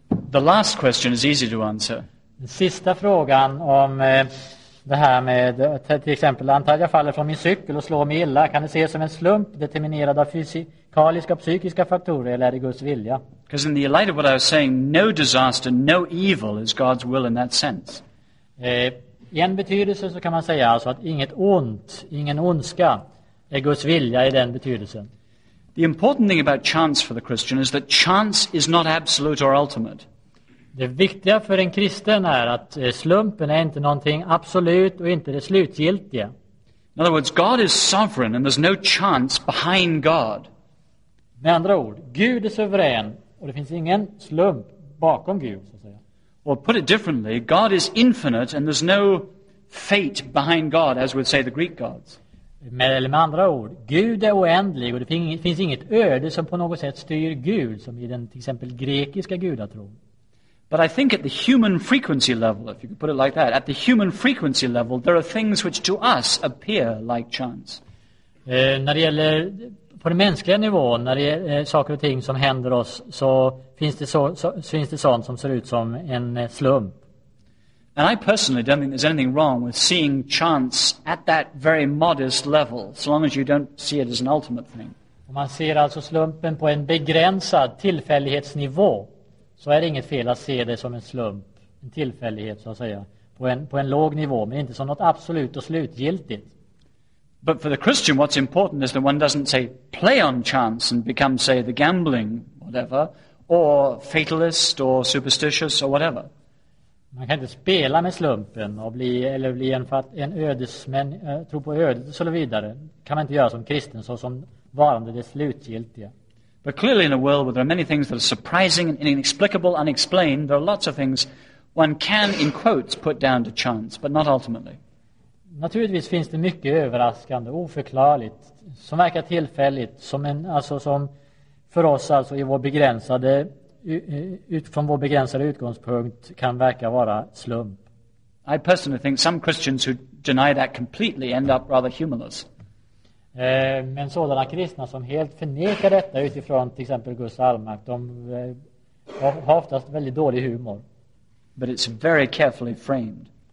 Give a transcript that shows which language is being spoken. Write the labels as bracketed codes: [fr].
[en] The last question is easy to answer. [sv] Den sista frågan om det här med till exempel antar jag faller från min cykel och slår mig illa, kan det ses som en slump determinerad av fysikaliska och psykiska faktorer eller är det Guds vilja? [en] Because in the light of what I was saying, no disaster, no evil is God's will in that sense. [sv] I en betydelse så kan man säga alltså att inget ont, ingen ondska är Guds vilja i den betydelsen. [en] The important thing about chance for the Christian is that chance is not absolute or ultimate. [sv] Det viktiga för en kristen är att slumpen är inte någonting absolut och inte det slutgiltiga. [en] In other words, God is sovereign and there's no chance behind God. [sv] Med andra ord, Gud är suverän och det finns ingen slump bakom Gud så att säga. [en] Or put it differently, God is infinite and there's no fate behind God as would say the Greek gods. [sv] Med andra ord, Gud är oändlig och det finns inget öde som på något sätt styr Gud som i den till exempel grekiska gudatron. [en] But I think at the human frequency level, if you could put it like that, at the human frequency level, there are things which to us appear like chance. [sv] När det gäller på den mänskliga nivån, när det är saker och ting som händer oss, så finns det sånt som ser ut som en slump. [en] And I personally don't think there's anything wrong with seeing chance at that very modest level, so long as you don't see it as an ultimate thing. [sv] Om man ser alltså slumpen på en begränsad tillfällighetsnivå, så är det inget fel att se det som en slump, en tillfällighet så att säga, på en låg nivå, men inte som något absolut och slutgiltigt. [en] But for the Christian, what's important is that one doesn't say play on chance and become, say, the gambling, whatever, or fatalist or superstitious or whatever. [sv] Man kan inte spela med slumpen och bli en ödesmän, tro på ödet och så vidare. Kan man inte göra som kristen, så som varande det slutgiltiga. [en] But clearly in a world where there are many things that are surprising and inexplicable, unexplained, there are lots of things one can, in quotes, put down to chance, but not ultimately. [sv] Naturligtvis finns det mycket överraskande, oförklarligt, som verkar tillfälligt, som för oss alltså i vår begränsade, utifrån vår begränsade utgångspunkt, kan verka vara slump. [en] I personally think some Christians who deny that completely end up rather humorless. [sv] Men sådana kristna som helt förnekar detta utifrån till exempel Guds allmakt, de har oftast väldigt dålig humor. [en] But it's very carefully framed.